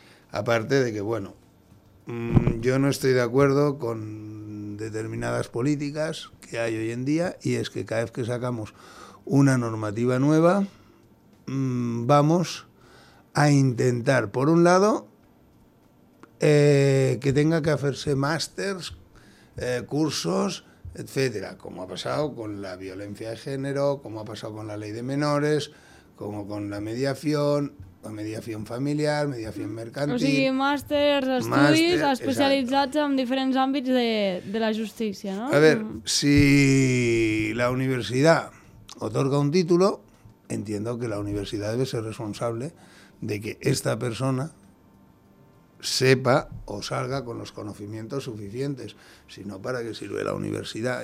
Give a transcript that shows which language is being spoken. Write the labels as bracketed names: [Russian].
[Spanish] Aparte de que, bueno, yo no estoy de acuerdo con determinadas políticas que hay hoy en día, y es que cada vez que sacamos una normativa nueva, vamos a intentar, por un lado, que tenga que hacerse másters, cursos, etcétera, como ha pasado con la violencia de género, como ha pasado con la ley de menores, como con la mediación, la mediación familiar, mediación mercantil... [Catalan] O sigui, màsters, estudis màster, especialitzats exacte. En diferents àmbits de la justícia, no? A veure, si la universitat [Spanish] otorga un títol, entiendo que la universitat debe ser responsable de que esta persona sepa o salga con los conocimientos suficientes, sino para que sirve la universidad.